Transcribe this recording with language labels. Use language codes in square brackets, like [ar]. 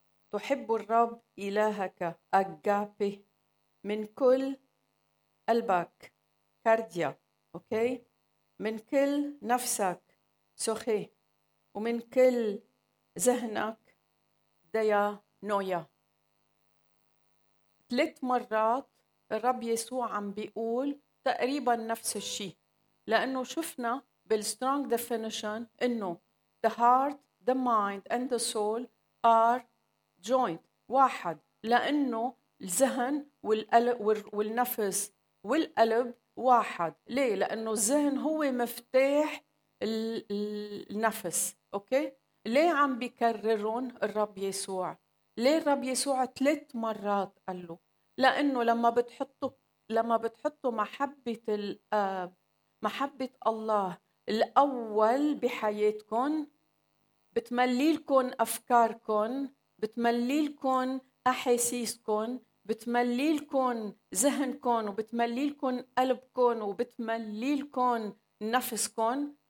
[ar] تحب الرب إلهك أجابي من كل قلبك كارديا، أوكي، من كل نفسك سخي، ومن كل ذهنك ديا نويا. ثلاث مرات الرب يسوع عم بيقول تقريبا نفس الشيء، لأنه شفنا بالسترونج ديفينيشن إنه [en] the heart, the mind and the soul are joined. [ar] واحد. لأنه الذهن والنفس والقلب واحد. ليه؟ لأنه الذهن هو مفتاح النفس. أوكي؟ ليه عم بيكررون الرب يسوع؟ ليه الرب يسوع ثلاث مرات قال له؟ لأنه لما بتحطوا محبة الآب، محبة الله الأول بحياتكم، بتملي لكم أفكاركم، بتملي لكم أحاسيسكم، بتملي لكم ذهنكم، وبتملي لكم قلبكم، وبتملي لكم نفسكم.